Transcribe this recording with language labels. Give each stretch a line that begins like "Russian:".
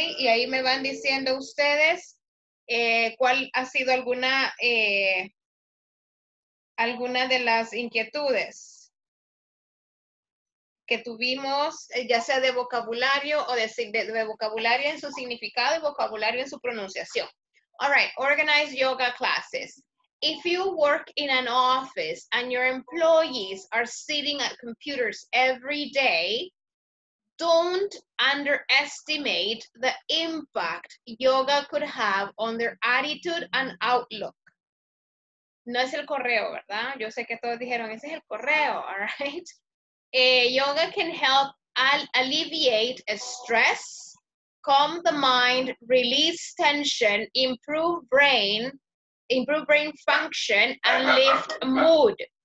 Spanish: Y ahí me van diciendo ustedes cuál ha sido alguna de las inquietudes que tuvimos, ya sea de vocabulario o de vocabulario en su significado y vocabulario en su pronunciación.
English: All right, organized yoga classes. If you work in an office and your employees are sitting at computers every day, don't underestimate the impact yoga could have on their attitude and outlook.
Spanish: No es el correo, ¿verdad? Yo sé que todos dijeron, ese es el correo, all right?
English: Yoga can help alleviate stress, calm the mind, release tension, improve brain function, and lift mood.